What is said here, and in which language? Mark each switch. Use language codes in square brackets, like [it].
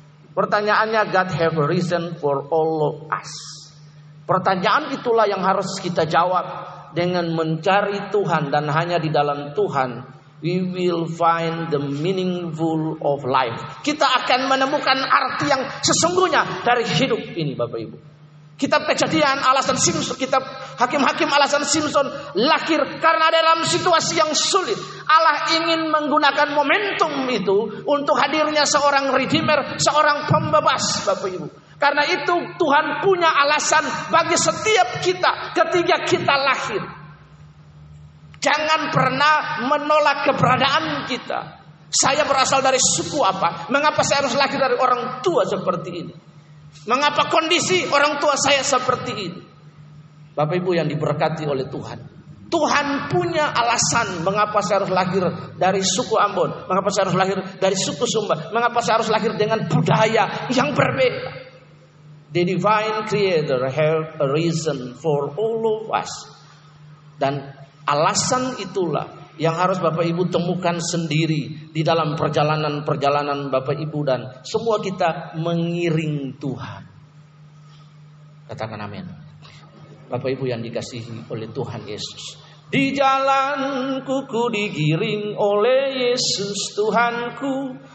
[id] Pertanyaannya, [en] God have a reason for all of us. [id] Pertanyaan itulah yang harus kita jawab dengan mencari Tuhan. Dan hanya di dalam Tuhan, [en] we will find the meaningful of life. [id] Kita akan menemukan arti yang sesungguhnya dari hidup ini, Bapak Ibu. Kitab Kejadian alasan Samson, kitab Hakim-Hakim alasan Samson lahir karena dalam situasi yang sulit. Allah ingin menggunakan momentum itu untuk hadirnya seorang redeemer, seorang pembebas, Bapak Ibu. Karena itu Tuhan punya alasan bagi setiap kita ketika kita lahir. Jangan pernah menolak keberadaan kita. Saya berasal dari suku apa? Mengapa saya harus lahir dari orang tua seperti ini? Mengapa kondisi orang tua saya seperti ini? Bapak Ibu yang diberkati oleh Tuhan, Tuhan punya alasan mengapa saya harus lahir dari suku Ambon, mengapa saya harus lahir dari suku Sumba, mengapa saya harus lahir dengan budaya yang berbeda. [en] The divine creator have a reason for all of us. [id] Dan alasan itulah yang harus Bapak Ibu temukan sendiri di dalam perjalanan-perjalanan Bapak Ibu dan semua kita mengiring Tuhan. Katakan amin. Bapak Ibu yang dikasihi oleh Tuhan Yesus. Di jalanku ku digiring oleh Yesus Tuhanku.